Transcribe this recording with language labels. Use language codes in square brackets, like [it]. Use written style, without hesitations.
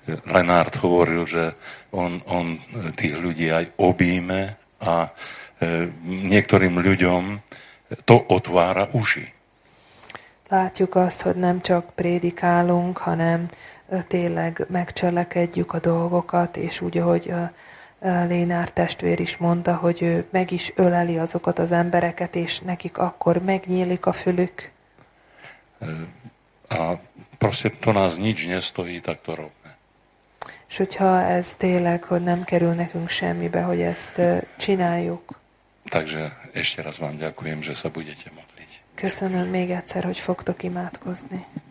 [sk] Lenard hovoril, že on tých ľudí aj obíme a niektorým ľuďom to otvára uši. [hu] Látjuk azt, hogy nem csak prédikálunk, hanem tényleg megcselekedjük a dolgokat, és úgy, ahogy Lénár testvér is mondta, hogy ő meg is öleli azokat az embereket, és nekik akkor megnyílik a fülük. [sk] A proste to nás nič nestojí, tak to robne. [hu] És hogyha ez tényleg, hogy nem kerül nekünk semmibe, hogy ezt csináljuk. [sk] Takže ešte raz vám ďakujem, že sa budete modliť. [hu] Köszönöm még egyszer, hogy fogtok imádkozni.